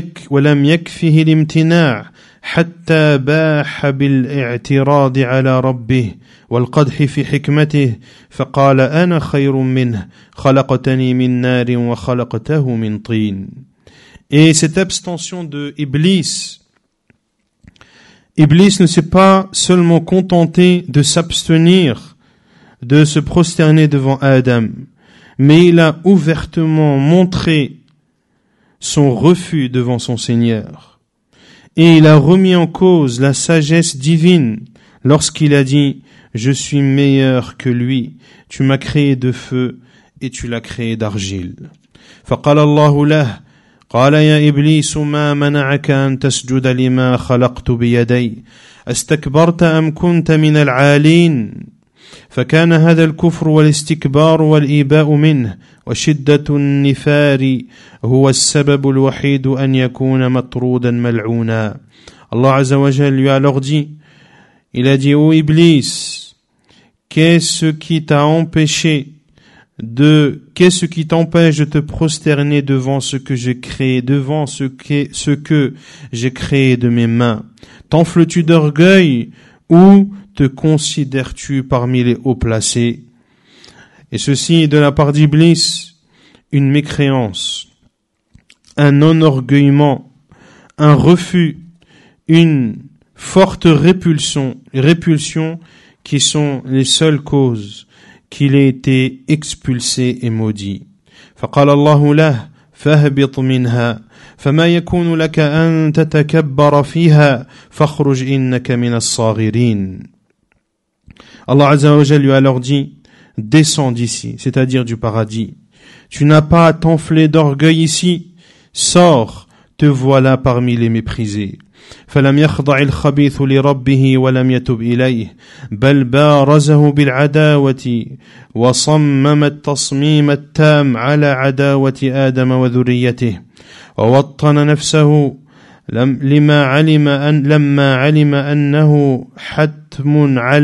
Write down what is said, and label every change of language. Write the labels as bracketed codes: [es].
[ar] ولم يكفيه الامتناع حتى باح بالاعتراض على ربه والقدح في حكمته فقال أنا خير منه خلقتني من نار وخلقته من طين. [fr] Et cette abstention de Iblis ne s'est pas seulement contenté de s'abstenir, de se prosterner devant Adam, mais il a ouvertement montré son refus devant son Seigneur. Et il a remis en cause la sagesse divine lorsqu'il a dit « Je suis meilleur que lui, tu m'as créé de feu et tu l'as créé d'argile. » [ar] فقال الله له قال يا إبليس ما منعك أن تسجد لما خلقت بيدي استكبرت أم كنت من العالين فكان هذا الكفر والاستكبار والإباء منه وشدة النفار هو السبب الوحيد أن يكون مطرودا ملعونا. الله عز وجل [fr] lui a alors dit, il a dit, ô Iblis, qu'est-ce qui t'empêche de te prosterner devant ce que j'ai créé, devant ce que j'ai créé de mes mains? T'enfles-tu d'orgueil ou te considères-tu parmi les hauts placés? Et ceci est de la part d'Iblis une mécréance, un non-orgueillement, un refus, une forte répulsion qui sont les seules causes qu'il ait été expulsé et maudit. [ar] فقال الله له فهبط منها فما يكون لك أن تتكبر فيها فخرج إنك من الصاغرين. [fr] Allah [ar] عز وجل [fr] lui a alors dit, descends d'ici, c'est-à-dire du paradis. Tu n'as pas à t'enfler d'orgueil ici. Sors, te voilà parmi les méprisés. [ar] فلم يخضع الخبيث لربه ولم يتب إليه بل بارزه بالعداوة وصمم التصميم التام على عداوة آدم وذريته ووطن نفسه لما علم أنه حتم